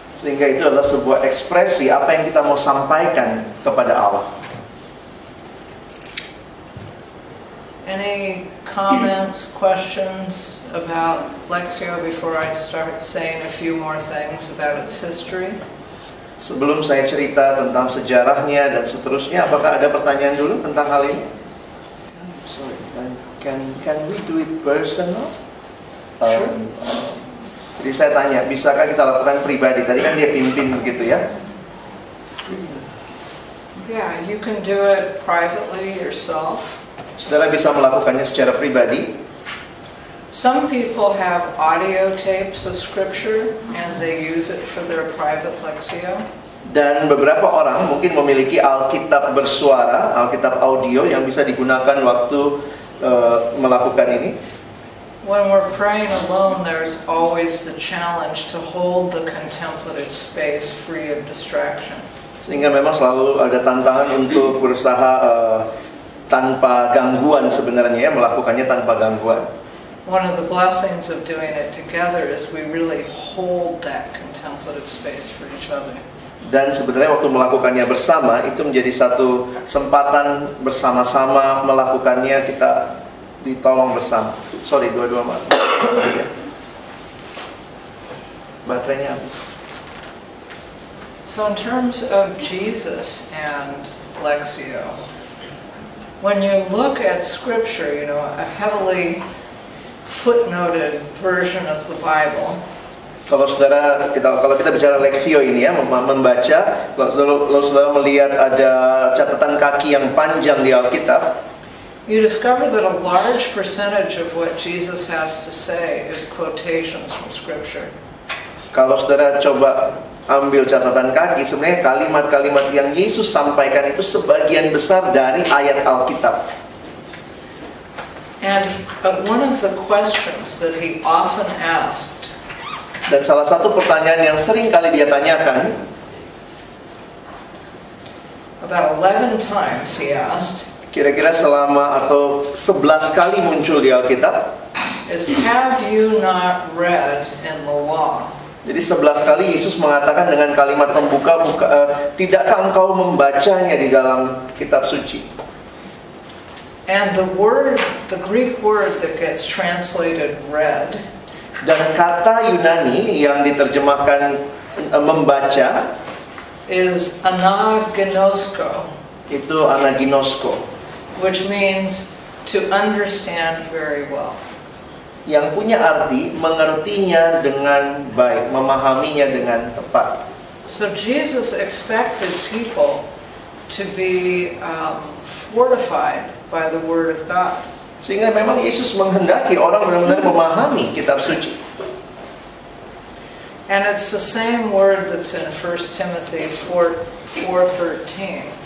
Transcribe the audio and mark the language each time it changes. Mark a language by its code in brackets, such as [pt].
[id] Sehingga itu adalah sebuah ekspresi apa yang kita mau sampaikan kepada Allah. [en] Any comments, questions about Lectio before I start saying a few more things about its history? [id] Sebelum saya cerita tentang sejarahnya dan seterusnya, apakah ada pertanyaan dulu tentang hal ini? [en] Can we do it personal? Sure. [id] Jadi saya tanya, bisakah kita lakukan pribadi? Tadi kan dia pimpin begitu ya. [en] Yeah, you can do it privately yourself. [id] Saudara bisa melakukannya secara pribadi. [en] Some people have audio tapes of scripture and they use it for their private lectio. [id] Dan beberapa orang mungkin memiliki Alkitab bersuara, Alkitab audio yang bisa digunakan waktu melakukan ini. [en] When we're praying alone, there's always the challenge to hold the contemplative space free of distraction. [id] Sehingga memang selalu ada tantangan untuk berusaha tanpa gangguan sebenarnya ya, melakukannya tanpa gangguan. [en] One of the blessings of doing it together is we really hold that contemplative space for each other. [id] Dan sebenarnya waktu melakukannya bersama itu menjadi satu kesempatan bersama-sama melakukannya kita ditolong bersama. Sorry, dua-dua mati. Baterainya habis. [en] So in terms of Jesus and Lectio, when you look at scripture, you know, a heavily footnoted version of the Bible. [id] Kalau saudara kita bicara Lectio ini ya, membaca, kalau saudara melihat ada catatan kaki yang panjang di Alkitab, [en] you discover that a large percentage of what Jesus has to say is quotations from Scripture. [id] Kalau saudara coba ambil catatan kaki, sebenarnya kalimat-kalimat yang Yesus sampaikan itu sebagian besar dari ayat Alkitab. [en] And one of the questions that he often asked. [id] Dan salah satu pertanyaan yang sering kali dia tanyakan. [en] About 11 times he asked. [id] Kira-kira selama atau 11 kali muncul di Alkitab. [en] Is, have you not read in the law? [id] Jadi 11 kali Yesus mengatakan dengan kalimat pembuka, tidakkah engkau membacanya di dalam kitab suci? [en] And the word, the Greek word that gets translated read. [id] Dan kata Yunani yang diterjemahkan membaca. [en] Is anagnosko. [id] Itu anagnosko. [en] Which means to understand very well. [id] Yang punya arti mengertinya dengan baik, memahaminya dengan tepat. [en] So Jesus expects his people to be fortified by the word of God. [id] Sehingga memang Yesus menghendaki orang benar-benar memahami kitab suci. [en] And it's the same word that's in 1 Timothy 4:13.